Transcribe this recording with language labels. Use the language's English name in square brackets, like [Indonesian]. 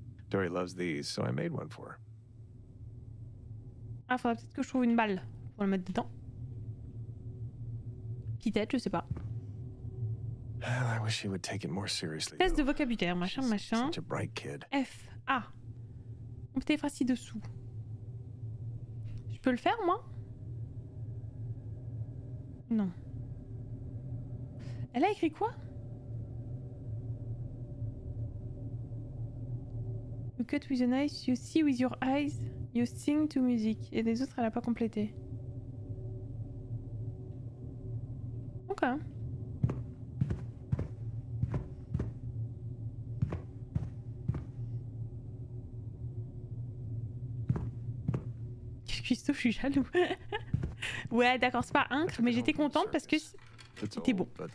[English] Dory loves these, so I made one for her. [French] Ah, faudra peut-être que je trouve une balle pour le mettre dedans. Peut-être, je sais pas. [English] Well, I wish he would take it more seriously. [French] Test de vocabulaire, machin, machin. [English] Such a bright kid. F A. [French] On peut effacer dessous. Je peux le faire, moi? Non. Elle a écrit quoi? [English] You cut with an eye, you see with your eyes, you sing to music. [French] Et les autres, elle a pas complété. Ok. Christophe, je suis jaloux. Ouais, d'accord, c'est pas incre, mais j'étais contente parce que c'était bon.